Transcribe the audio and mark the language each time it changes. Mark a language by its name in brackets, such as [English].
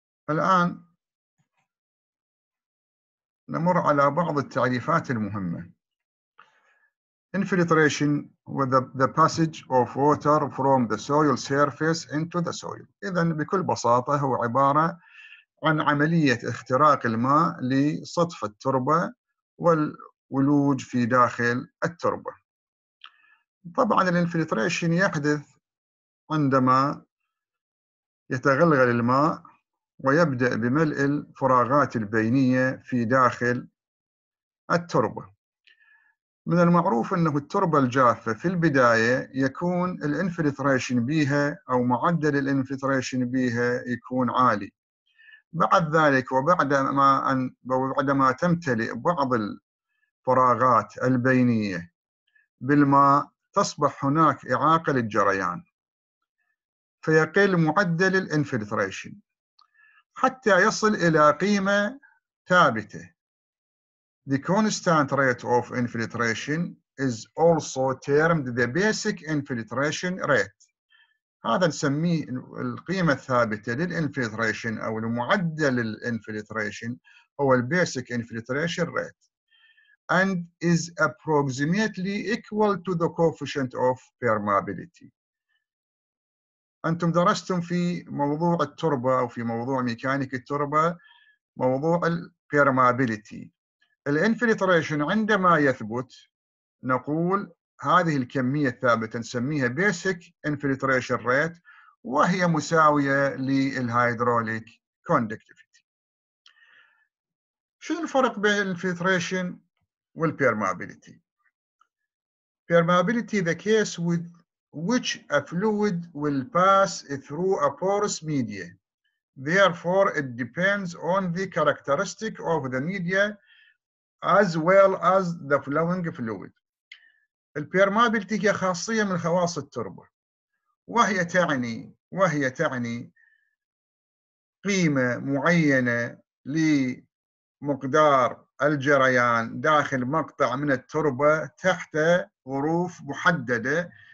[Arabic] الآن نمر على بعض التعريفات المهمة. [English] Infiltration with the passage of water from the soil surface into the soil. [Arabic] إذن بكل بساطة هو عبارة عن عملية اختراق الماء لسطح التربة والولوج في داخل التربة. طبعا الانفلتريشن يحدث عندما يتغلغل الماء ويبدأ بملء الفراغات البينية في داخل التربة. من المعروف أنه التربة الجافة في البداية يكون الانفلتريشن بيها أو معدل الانفلتريشن بيها يكون عالي. بعد ذلك وبعدما تمتلئ بعض الفراغات البينية بالماء تصبح هناك إعاقة للجريان، فيقل معدل الانفلتريشن حتى يصل إلى قيمة ثابتة. [English] The constant rate of infiltration is also termed the basic infiltration rate. [Arabic] هذا نسميه القيمة الثابتة للإنفلتريشن أو المعدل للإنفلتريشن هو الـ [English] basic infiltration rate. And is approximately equal to the coefficient of permeability. [Arabic] أنتم درستم في موضوع التربة أو في موضوع ميكانيك التربة موضوع الـ permeability. الانفلتريشن عندما يثبت نقول هذه الكمية الثابتة نسميها [English] basic infiltration rate [Arabic] وهي مساوية للهيدروليك conductivity. شو الفرق بين الانفلتريشن والpermeability؟ [English] Permeability the case with which a fluid will pass through a porous media. Therefore it depends on the characteristic of the media as well as the flowing fluid. [Arabic] البيرمابيلتي هي خاصية من خواص التربة، وهي تعني قيمة معينة لمقدار الجريان داخل مقطع من التربة تحت ظروف محددة.